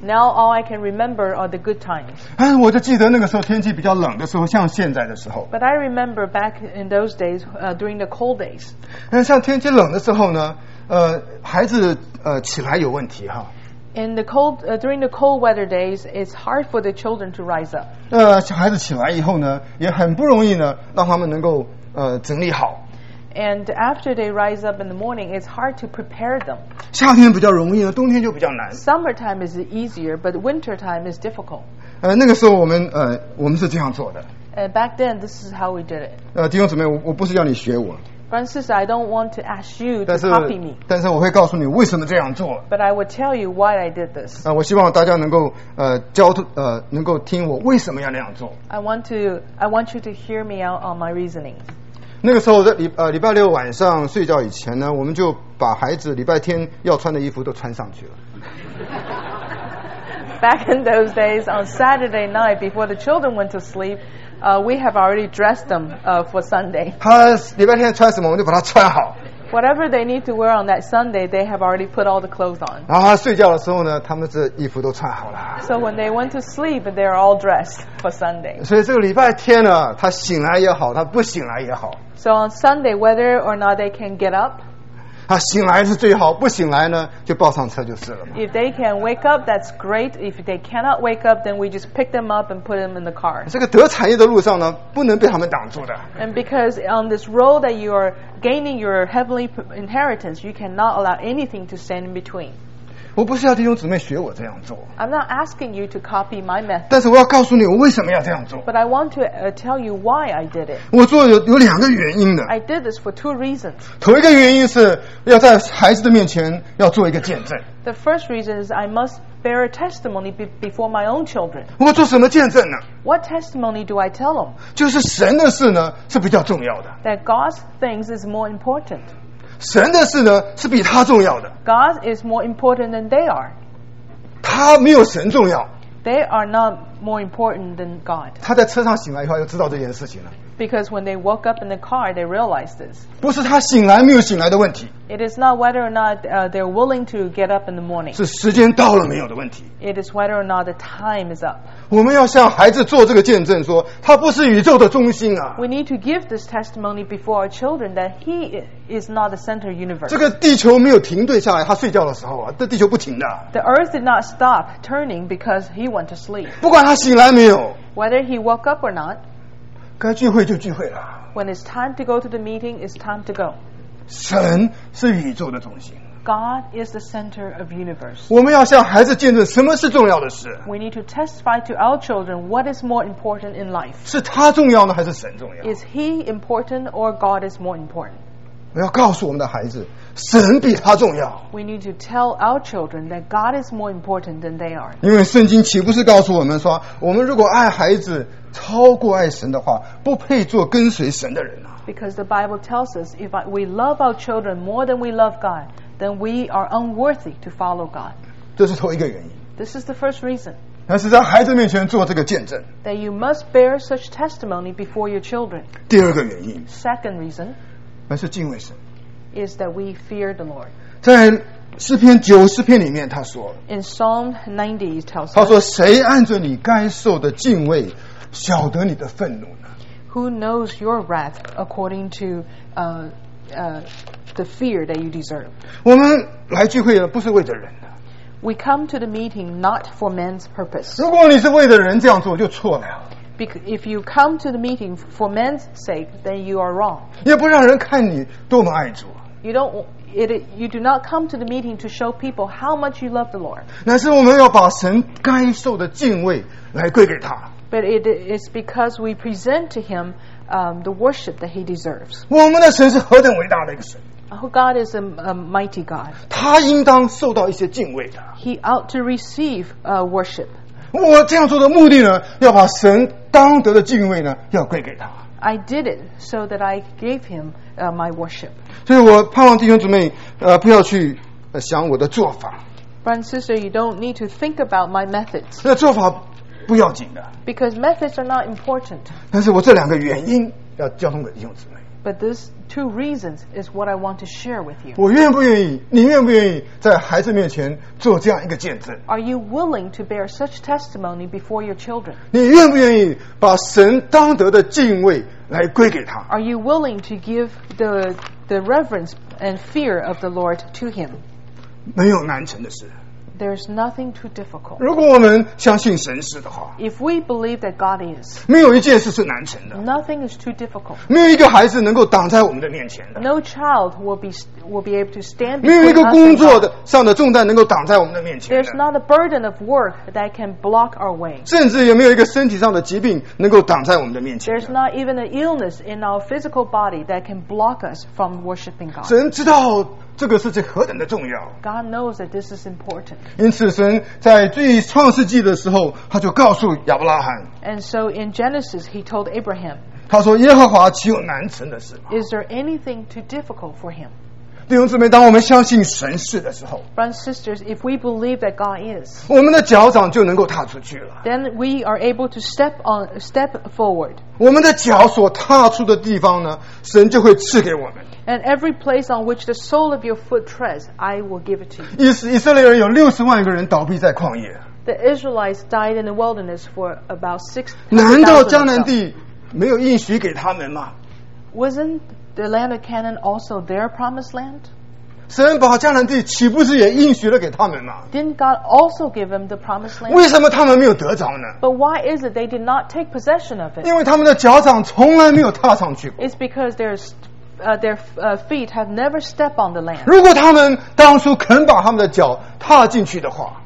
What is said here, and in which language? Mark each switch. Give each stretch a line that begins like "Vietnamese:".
English: Now all I can remember are the good times.
Chinese: 哎，我就记得那个时候天气比较冷的时候，像现在的时候。
English: But I remember back in those days, during the cold days.
Chinese: 像天气冷的时候呢，孩子起来有问题哈。
English: In the cold, during the cold weather days, it's hard for the children to rise up.
Chinese: 孩子起来以后呢，也很不容易呢，让他们能够整理好。
English: And after they rise up in the morning, it's hard to prepare them.
Chinese: 夏天比较容易呢，冬天就比较难。
English: Summertime is easier, but wintertime is difficult.
Chinese: 那个时候我们是这样做的。
English: Back then, this is how we did it.
Chinese: 弟兄姊妹，我不是要你学我。
English: Francis, I don't want to ask you to copy me.
Chinese: 但是我会告诉你为什么这样做。
English: But I will tell you why I did this.
Chinese: 我希望大家能够能够听我为什么要那样做。
English: I want you to hear me out on my reasoning.
Chinese: 那个时候在礼拜六晚上睡觉以前呢，我们就把孩子礼拜天要穿的衣服都穿上去了。
English: Back in those days, on Saturday night before the children went to sleep, we have already dressed them for Sunday.
Chinese: 他礼拜天穿什么，我们就把他穿好。
English: Whatever they need to wear on that Sunday, they have already put all the clothes on.
Chinese: 然后他睡觉的时候呢，他们这衣服都穿好了。
English: So when they went to sleep, they are all dressed for Sunday.
Chinese: 所以这个礼拜天呢，他醒来也好，他不醒来也好。
English: So on Sunday, whether or not they can get up,
Chinese: 他醒来是最好，不醒来呢，就抱上车就是了嘛。
English: If they can wake up, that's great. If they cannot wake up, then we just pick them up and put them in the car.
Chinese: 这个得产业的路上呢，不能被他们挡住的。
English: And because on this road that you are gaining your heavenly inheritance, you cannot allow anything to stand in between.
Chinese: 我不是要弟兄姊妹学我这样做。
English: I'm not asking you to copy my method.
Chinese: 但是我要告诉你我为什么要这样做。
English: But I want to tell you why I did it.
Chinese: 我做有两个原因的。
English: I did this for two reasons.
Chinese: 头一个原因是要在孩子的面前要做一个见证。
English: The first reason is I must bear a testimony before my own children.
Chinese: 我做什么见证呢？
English: What testimony do I tell them?
Chinese: 就是神的事呢是比较重要的。
English: That God's things is more important.
Chinese: 神的事呢是比他重要的。
English: God is more important than they are.
Chinese: 他没有神重要。
English: They are not more important than God.
Chinese: 他在车上醒来以后就知道这件事情了。
English: Because when they woke up in the car, they realized this.
Chinese: 不是他醒来没有醒来的问题。
English: It is not whether or not they're willing to get up in the morning.
Chinese: 是时间到了没有的问题。
English: It is whether or not the time is up.
Chinese: 我们要向孩子做这个见证，说他不是宇宙的中心啊。
English: We need to give this testimony before our children that he is not the center universe.
Chinese: 这个地球没有停顿下来，他睡觉的时候啊，这地球不停的。
English: The earth did not stop turning because he went to sleep.
Chinese: 不管他醒来没有。
English: Whether he woke up or not.
Chinese: 该聚会就聚会了。
English: When it's time to go to the meeting, it's time to go.
Chinese: 神是宇宙的中心。
English: God is the center of universe.
Chinese: 我们要向孩子见证什么是重要的事。
English: We need to testify to our children what is more important in life.
Chinese: 是他重要呢还是神重要？
English: Is he important or God is more important?
Chinese: 我要告诉我们的孩子，神比他重要。
English: We need to tell our children that God is more important than they are.
Chinese: 因为圣经岂不是告诉我们说，我们如果爱孩子超过爱神的话，不配做跟随神的人啊。
English: Because the Bible tells us if we love our children more than we love God,then we are unworthy to follow God.
Chinese: 这是头一个原因。
English: This is the first reason.
Chinese: 那是在孩子面前做这个见证。
English: That you must bear such testimony before your children.
Chinese: 第二个原因。
English: Second reason.
Chinese: 那是敬畏神。
English: Is that we fear the Lord.
Chinese: 在诗篇九十篇里面他说。
English: In Psalm 90 he tells us.
Chinese: 他说谁按着你该受的敬畏晓得你的愤怒呢？
English: Who knows your wrath according to the fear that you deserve.
Chinese: 我们来聚会不是为着人的。
English: We come to the meeting not for man's purpose.
Chinese: 如果你是为着人这样做就错了。
English: If you come to the meeting for man's sake, then you are wrong.
Chinese: 也不让人看你多么爱主。
English: You do not come to the meeting to show people how much you love the Lord.
Chinese: 乃是我们要把神该受的敬畏来归给他。
English: But it is because we present to him the worship that he deserves.
Chinese: 我们的神是何等伟大的一个神。
English: Our God is a mighty God.
Chinese: 他应当受到一些敬畏的。
English: He ought to receive worship.
Chinese: 我这样做的目的呢，要把神当得的敬畏呢，要归给他。
English: I did it so that I gave him my worship.
Chinese: 所以我盼望弟兄姊妹不要去想我的做法。
English: Brother and sister, you don't need to think about my methods.
Chinese: 那做法不要紧的。
English: Because methods are not important.
Chinese: 但是我这两个原因要交通给弟兄姊妹。
English: But these two reasons is what I want to share with you.
Chinese: 我愿不愿意，你愿不愿意在孩子面前做这样一个见证？
English: Are you willing to bear such testimony before your children?
Chinese: 你愿不愿意把神当得的敬畏来归给他？
English: Are you willing to give the reverence and fear of the Lord to him?
Chinese: 没有难成的事。
English: There's nothing too difficult.
Chinese: 如果我们相信神是的话，
English: If we believe that God is,
Chinese: 没有一件事是难成的。
English: Nothing is too difficult.
Chinese: 没有一个孩子能够挡在我们的面前的。
English: No child will be able to stand before us.
Chinese: 没有一个工作的上的重担能够挡在我们的面前的。
English: There's not a burden of work that can block our way.
Chinese: 甚至也没有一个身体上的疾病能够挡在我们的面前的。
English: There's not even an illness in our physical body that can block us from worshiping God.
Chinese: 神知道这个是这何等的重要。
English: God knows that this is important.
Chinese: 因此神在最创世纪的时候他就告诉亚伯拉罕。
English: And so in Genesis he told Abraham.
Chinese: 他说耶和华岂有难成的事。
English: Is there anything too difficult for him?
Chinese: 弟兄姊妹，当我们相信神是的时候，
English: Brothers and sisters, if we believe that God is,
Chinese: 我们的脚掌就能够踏出去了。
English: Then we are able to step forward.
Chinese: 我们的脚所踏出的地方呢，神就会赐给我们。
English: And every place on which the sole of your foot treads, I will give it to you.
Chinese: 以色列人有六十万个人倒闭在旷野。
English: The Israelites died in the wilderness for about 600,000.
Chinese: 难道迦南地没有应许给他们吗？
English: Wasn't the land of Canaan also their promised land?
Chinese: 神把迦南地岂不是也应许了给他们吗？
English: Didn't God also give them the promised land?
Chinese: 为什么他们没有得着呢？
English: But why is it they did not take possession of it?
Chinese: 因为他们的脚掌从来没有踏上去过。
English: It's because there's their feet have never stepped on the land.
Chinese: 如果他们当初肯把他们的脚踏进去的话，